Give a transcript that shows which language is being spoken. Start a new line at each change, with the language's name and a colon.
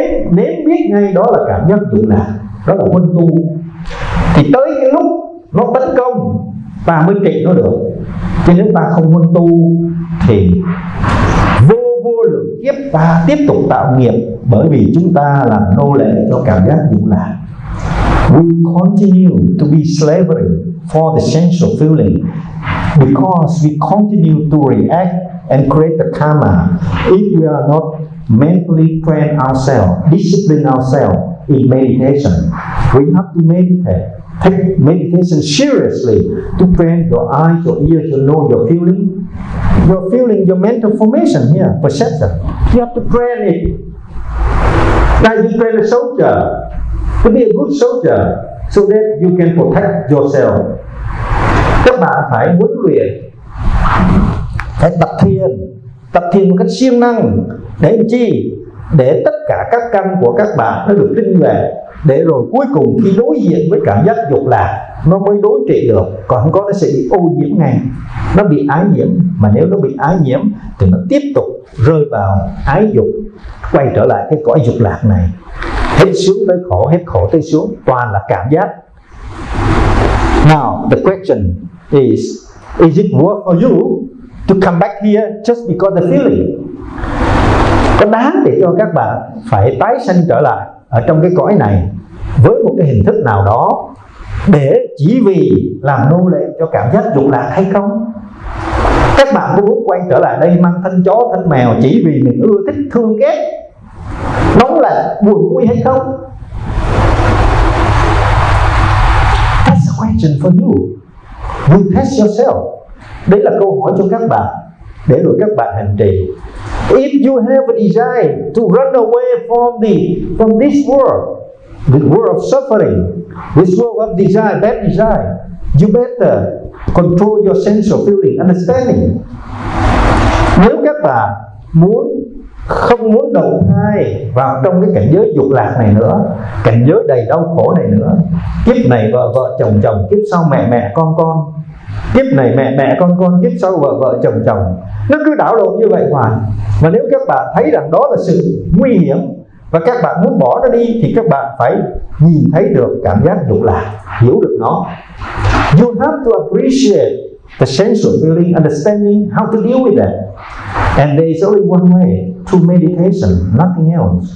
Vietnamese: Nếu biết ngay đó là cảm giác dục lạc, đó là quân tu, thì tới cái lúc nó tấn công ta mới trị nó được. Chứ nếu ta không quân tu thì vô lượng kiếp ta tiếp tục tạo nghiệp, bởi vì chúng ta là nô lệ cho cảm giác dục lạc.
English: We continue to be slavery for the sensual feeling because we continue to react and create the karma if we are not mentally train ourselves, discipline ourselves in meditation. We have to meditate, take meditation seriously to train your eyes, your ears, your nose, your feeling, your mental formation here, perception. You have to train it. Now you train a soldier to be a good soldier so that you can protect yourself.
Vietnamese: các bạn phải huấn luyện, phải tập thiền, tập thiền một cách siêng năng để làm chi? Để tất cả các căn của các bạn nó được tinh nhuệ, để rồi cuối cùng khi đối diện với cảm giác dục lạc nó mới đối trị được, còn không có nó sẽ bị ô nhiễm ngay, nó bị ái nhiễm. Mà nếu nó bị ái nhiễm thì nó tiếp tục rơi vào ái dục, quay trở lại cái cõi dục lạc này, hết sướng tới khổ, hết khổ tới sướng, toàn là cảm giác.
English: Now the question is it worth for you to come back here just because the feeling?
Vietnamese: Có đáng để cho các bạn phải tái sanh trở lại ở trong cái cõi này với một cái hình thức nào đó để chỉ vì làm nô lệ cho cảm giác dục lạc hay không? Các bạn có muốn quay trở lại đây mang thân chó thân mèo chỉ vì mình ưa thích thương ghét nóng lạnh buồn vui hay không?
English: That's a question for you. You test yourself.
Vietnamese: Đấy là câu hỏi cho các bạn để rồi các bạn hành trì.
English: If you have a desire to run away from this world, the world of suffering, this world of desire, bad desire, you better control your sense of feeling, understanding.
Vietnamese: Nếu các bạn muốn không muốn đầu thai vào trong cái cảnh giới dục lạc này nữa, cảnh giới đầy đau khổ này nữa, kiếp này vợ vợ chồng chồng, kiếp sau mẹ mẹ con con, kiếp này mẹ mẹ con, kiếp sau vợ vợ chồng chồng, nó cứ đảo lộn như vậy hoài. Và nếu các bạn thấy rằng đó là sự nguy hiểm và các bạn muốn bỏ nó đi, thì các bạn phải nhìn thấy được cảm giác dục lạc, hiểu được nó.
English: You have to appreciate the sensual feeling, understanding how to deal with that. And there is only one way, through meditation, nothing else.